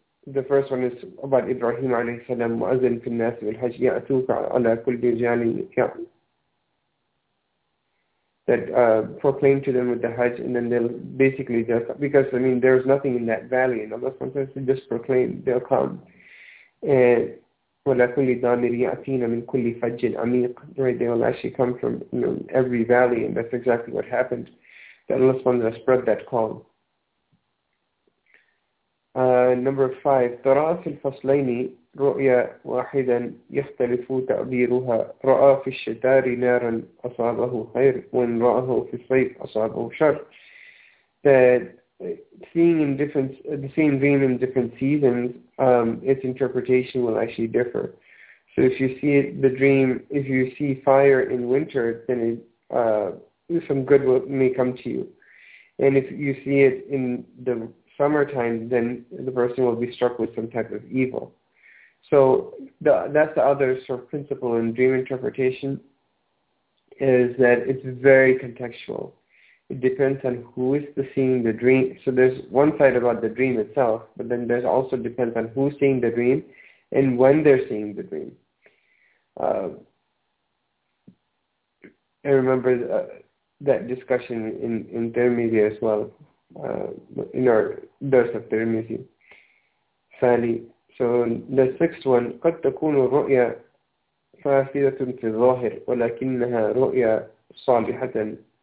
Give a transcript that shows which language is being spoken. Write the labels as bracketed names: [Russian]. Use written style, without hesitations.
[English] The first one is about Ibrahim alayhi salam, [Arabic] mu'azzin fi al-nas bil hajj ya'tuka ala kulli jani, [English] that proclaim to them with the hajj, and then they'll basically just, because I mean there's nothing in that valley, and Allah sometimes they just proclaim, they'll come. And [Arabic] wala kulli damir ya'tina min kulli fajjin amiq, [English] right, they will actually come from, you know, every valley, and that's exactly what happened. That Allah subhanahu wa ta'ala spread that call. Number five, [Arabic] تَرَأَى فِي الْفَصْلَيْنِ رُؤْيَا وَاحِدًا يَخْتَلِفُ تَعْبِيرُهَا رَأَى فِي الشَّتَارِ نَارًا أَصَابَهُ خَيْرٌ وَإِنْ رَأَهُ فِي الصَّيْفِ أَصَابَهُ شَرٌّ. [English] That seeing in different, the same dream in different seasons, its interpretation will actually differ. So if you see the dream, if you see fire in winter, then it, some good will, may come to you. And if you see it in the summertime, then the person will be struck with some type of evil. So that's the other sort of principle in dream interpretation, is that it's very contextual. It depends on who is the seeing the dream. So there's one side about the dream itself, but then there's also depends on who's seeing the dream and when they're seeing the dream. I remember that discussion in Tirmidhi as well, in our Dars of Tirmidhi. Sali. So the sixth one, [Arabic] قَدْ تَكُونُ الرُّؤْيَا فَاسِدَةٌ فِي الظَّاهِرِ وَلَكِنَّهَا رُؤْيَا صَالِحَةً.